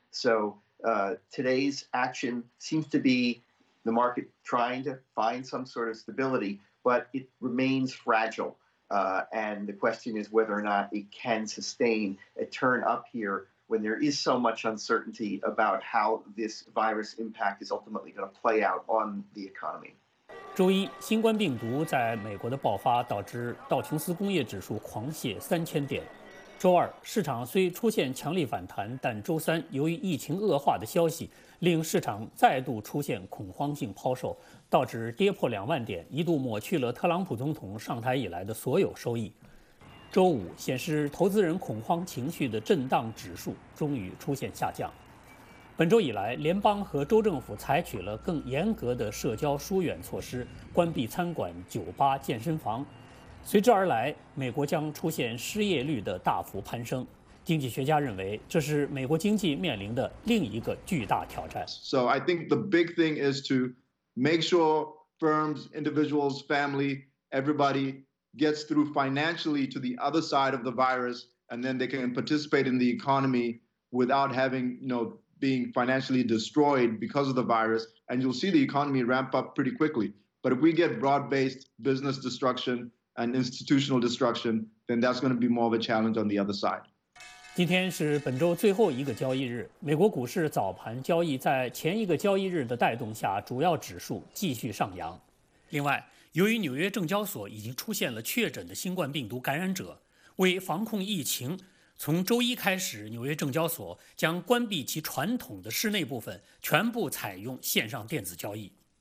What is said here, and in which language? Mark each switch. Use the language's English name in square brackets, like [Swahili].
[English] So today's action seems to be the market trying to find some sort of stability, but it remains fragile. And the question is whether or not it can sustain a turn up here when there is so much uncertainty about how this virus impact is ultimately going to play out on the economy. [Chinese] 周一，新冠病毒在美国的爆发导致道琼斯工业指数狂泻3000点。周二，市场虽出现强力反弹，但周三由于疫情恶化的消息，令市场再度出现恐慌性抛售，道指跌破20000点，一度抹去了特朗普总统上台以来的所有收益。周五显示投资人恐慌情绪的震荡指数终于出现下降。本周以来，联邦和州政府采取了更严格的社交疏远措施，关闭餐馆、酒吧、健身房。随之而来，美国将出现失业率的大幅攀升。经济学家认为，这是美国经济面临的另一个巨大挑战。 [English] So I think the big thing is to make sure firms, individuals, family, everybody gets through financially to the other side of the virus, and then they can participate in the economy without having, being financially destroyed because of the virus, and you'll see the economy ramp up pretty quickly. But if we get broad-based business destruction and institutional destruction, then that's going to be more of a challenge on the other side. [Chinese] 今天是本周最后一个交易日，美国股市早盘交易在前一个交易日的带动下，主要指数继续上扬。另外，由于纽约证交所已经出现了确诊的新冠病毒感染者，为防控疫情。从周一开始，纽约证交所将关闭其传统的室内部分，全部采用线上电子交易。